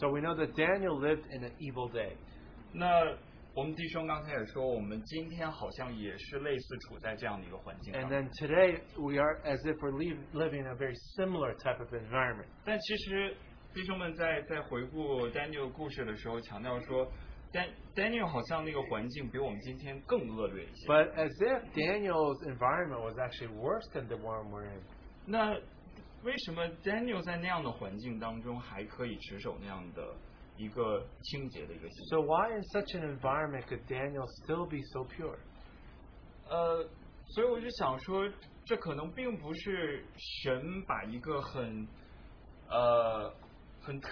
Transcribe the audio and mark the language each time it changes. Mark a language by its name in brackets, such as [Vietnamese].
[English] So we know that Daniel lived in an evil day. [Chinese] 那我们弟兄刚才也说，我们今天好像也是类似处在这样的一个环境当中。 [English] And then today we are as if we're living in a very similar type of environment. [Chinese] 但其实。弟兄们在回顾 Daniel 故事的时候，强调说 ，Daniel 好像那个环境比我们今天更恶劣一些。 [English] But as if Daniel's environment was actually worse than the one we're in. [Chinese] 那为什么 Daniel 在那样的环境当中还可以持守那样的一个清洁的一个心 [English] ？So why in such an environment could Daniel still be so pure？ [Chinese] 所以我就想说，这可能并不是神把一个很